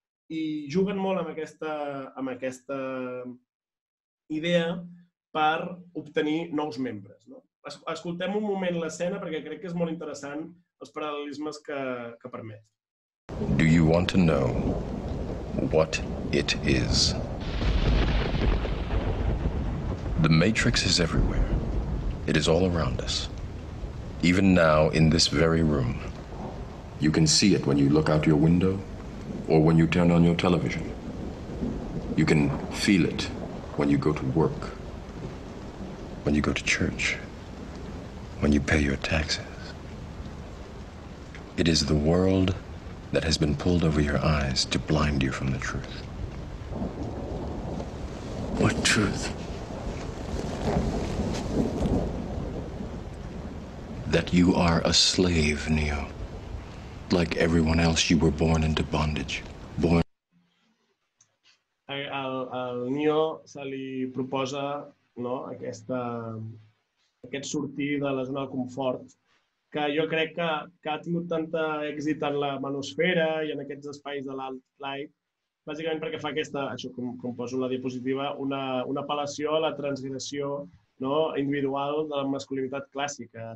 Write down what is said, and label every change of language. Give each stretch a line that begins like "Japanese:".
Catalan: I juguen molt amb aquesta idea per obtenir nous membres, no? Escoltem un moment l'escena perquè crec que és molt interessant els paral·lelismes que permet.
English: Do you want to know what it is? The Matrix is everywhere. It is all around us. Even now, in this very room, you can see it when you look out your window or when you turn on your television. You can feel it when you go to work, when you go to church, when you pay your taxes. It is the world that has been pulled over your eyes to blind you from the truth. What truth? That you are a slave, Neo. Like everyone else, you were born into bondage. Born...
Catalan: El Neo se li proposa, no, aquest sortir de la zona de confort, que jo crec que ha tingut tant èxit en la manosfera i en aquests espais de l'alt light, bàsicament perquè fa aquesta, això com poso la diapositiva, una apel·lació a la transgressió, no, individual de la masculinitat clàssica.